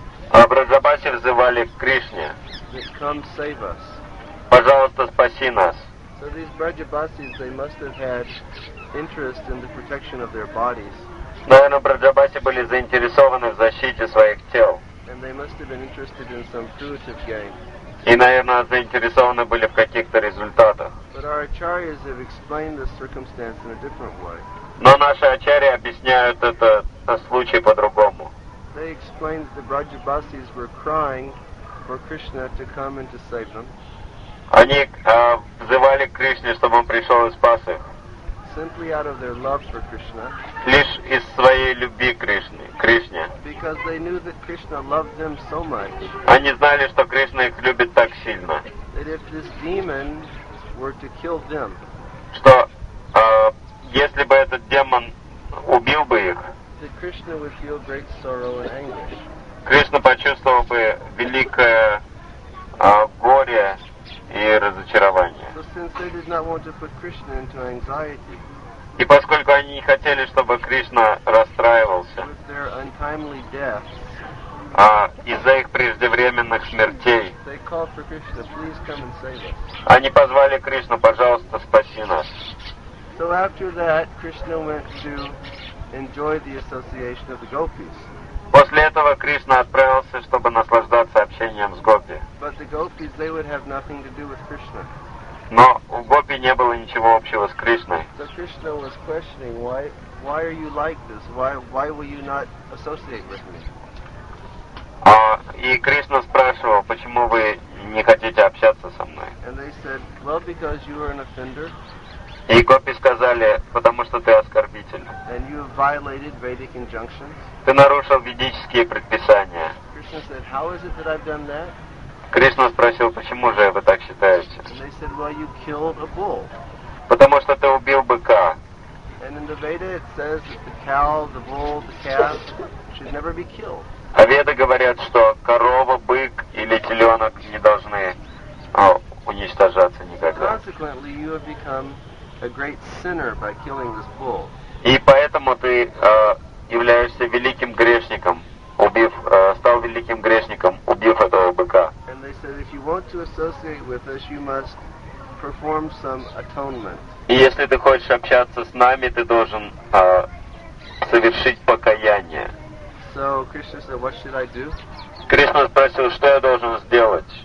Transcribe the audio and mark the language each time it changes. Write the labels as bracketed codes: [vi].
[ru] А Браджабаси взывали к Кришне. [en] Come save us. [ru] Пожалуйста, спаси нас. [en] So these Brajabasis, they must have had interest in the protection of their bodies. [ru] Наверное, Браджабаси были заинтересованы в защите своих тел. [en] And they must have been interested in some fruitive gain. [ru] И, наверное, заинтересованы были в каких-то результатах. [en] But our acharyas have explained this circumstance in a different way. [ru] Но наши ачарьи объясняют этот случай по-другому. [en] they explained that the Brajabasis were crying for Krishna to come and to save them. [ru] Они взывали к Кришне, чтобы он пришел и спас их. [en] Simply out of their love for Krishna. [ru] Лишь из своей любви к Кришне. [en] Because they knew that Krishna loved them so much. [ru] Они знали, что Кришна их любит так сильно. [en] That if this demon were to kill them. [ru] Что если бы этот демон убил бы их, [en] that Krishna would feel great sorrow and anguish. [ru] Кришна почувствовал бы великое горе и разочарование. [en] So since they did not want to put Krishna into anxiety, [ru] и поскольку они не хотели, чтобы Кришна расстраивался, [en] with their untimely deaths, [ru] из-за их преждевременных смертей, [en] they called for Krishna, please come and save us. [ru] Они позвали Кришну, пожалуйста, спаси нас. [en] So after that, Krishna went to enjoy the association of the gopis. [ru] После этого Кришна отправился, чтобы наслаждаться общением с гопи. [en] But the gopis, they would have nothing to do with Krishna. [ru] Но у гопи не было ничего общего с Кришной. [en] So Krishna was questioning, why are you like this? Why will you not associate with me? [ru] И Кришна спрашивал, почему вы не хотите общаться со мной? [en] And they said, well, because you are an offender. [ru] И гопи сказали, потому что ты оскорбитель. [en] And you have violated Vedic injunctions. [ru] Ты нарушил ведические предписания. [en] Krishna said, how is it that I've done that? [ru] Кришна спросил, почему же вы так считаете? [en] And they said, well, you killed a bull. [ru] Потому что ты убил быка. [en] And in the Veda it says that the cow, the bull, the calf should never be killed. [ru] А веды говорят, что корова, бык или теленок не должны уничтожаться никогда. [en] Consequently, you have become a great sinner by killing this bull. [ru] И поэтому ты являешься великим грешником, убив стал великим грешником, убив этого быка. [en] And they said, if you want to associate with us, you must perform some atonement. [ru] И если ты хочешь общаться с нами, ты должен совершить покаяние. [en] So Krishna said, what should I do? [ru] Кришна спросил, что я должен сделать?